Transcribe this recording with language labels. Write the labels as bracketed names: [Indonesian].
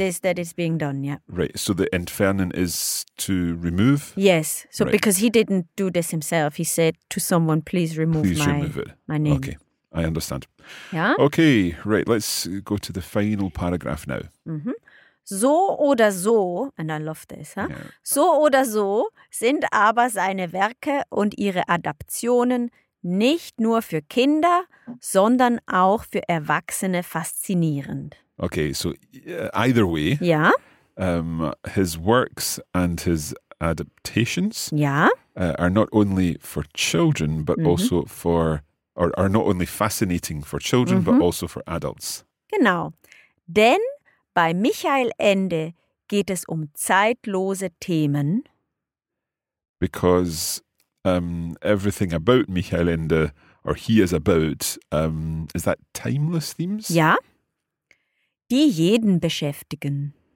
[English] It is that is being done, yeah. Right. So the entfernen is to remove? Yes. So right. because he didn't do this himself. He said to someone, please remove my name. Okay. I understand. Yeah? Okay, right. Let's go to the final paragraph now. Mm-hmm. [German] So oder so, [English] and I love this, huh? Yeah. [German] So oder so sind aber seine Werke und ihre Adaptionen nicht nur für Kinder, sondern auch für Erwachsene faszinierend. [English] Okay, so either way. [German] Ja. [English] His works and his adaptations. [German] Ja. [English] Are not only for children, but mhm. also for, or are not only fascinating for children, mhm. but also for adults. [German] Genau. Denn bei Michael Ende geht es zeitlose Themen. [English] Because everything about Michael Ende, or he is about, is that timeless themes? [German] Ja, die jeden beschäftigen.